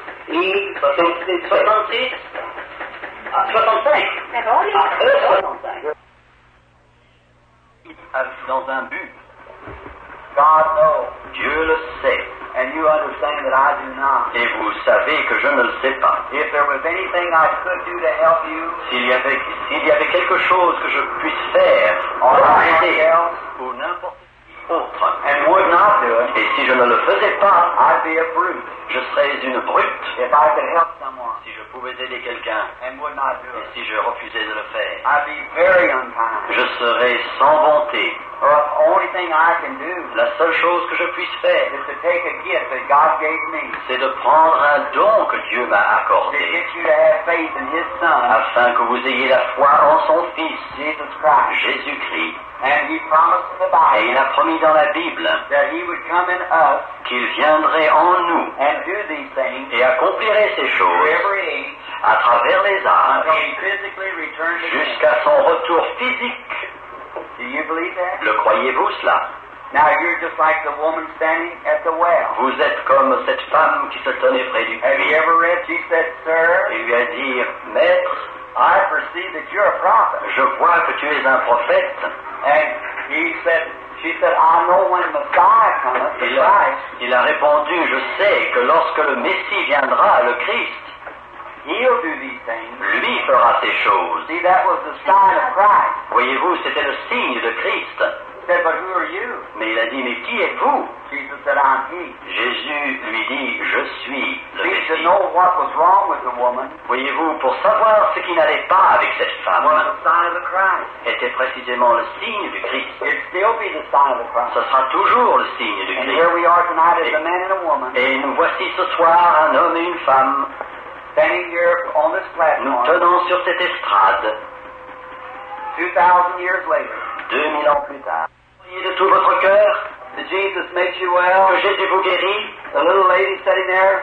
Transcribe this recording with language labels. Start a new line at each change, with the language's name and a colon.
English: E. 66. 66. Ah, 65. Ah, E. 65.
French: Dans un but.
English: God knows.
French: Dieu le sait.
English: And you understand that I do not.
French: Et vous savez que je ne le sais pas.
English: If there was anything I could do to help you,
French: s'il y avait quelque chose que je puisse faire pour aider,
English: or anything else,
French: ou n'importe qui autre,
English: and would not do it,
French: et si je ne le faisais pas,
English: I'd be a brute.
French: Je serais une brute.
English: If I could help someone,
French: si je pouvais aider quelqu'un,
English: and would not do it,
French: et si je refusais de le faire,
English: I'd be very unkind.
French: Je serais sans bonté.
English: Or the only thing I can do,
French: la seule chose que je puisse faire,
English: is to take a gift that God gave me,
French: c'est de prendre un don que Dieu m'a accordé,
English: to get you to have faith in His Son,
French: afin que vous ayez la foi en Son Fils,
English: Jesus Christ,
French: Jésus-Christ.
English: And He promised the Bible,
French: et il a promis dans la Bible,
English: that He would come in us,
French: qu'il viendrait en nous,
English: and do these things,
French: et accomplirait ces choses,
English: every age,
French: à travers les âges,
English: until He physically returned again,
French: jusqu'à son retour physique.
English: Do you believe that?
French: Le croyez-vous cela?
English: Now you're just like the woman standing at the well.
French: Vous êtes comme cette femme qui se tenait près du puits.
English: Have you ever read? She said, "Sir."
French: Et lui a dit, maître.
English: I perceive that you're a prophet.
French: Je vois que tu es un prophète.
English: And he said, she said, I know when the Messiah comes, the Christ.
French: Il a répondu, je sais que lorsque le Messie viendra, le Christ.
English: He'll do these things.
French: Lui fera ces choses.
English: See, that was the sign of Christ.
French: Voyez-vous, c'était le signe de Christ.
English: He said, but who are you?
French: Mais il a dit, mais qui êtes-vous?
English: Jesus said, I'm he.
French: Jésus lui dit, je suis le Messie.
English: See, to know what was wrong with the woman.
French: Voyez-vous, pour savoir ce qui n'allait pas avec cette femme,
English: was the sign of the Christ.
French: Était précisément le signe du Christ.
English: It'll still be the sign of the Christ.
French: Ce sera toujours le signe du Christ.
English: And here we are tonight as a man and a woman.
French: Et nous voici ce soir, un homme et une femme.
English: Standing here on this platform.
French: Nous tenons sur cette estrade.
English: 2000 years later.
French: 2000 ans plus tard. Priez de tout votre cœur.
English: That Jesus makes you well.
French: Que Jésus vous guérit.
English: The little lady sitting there.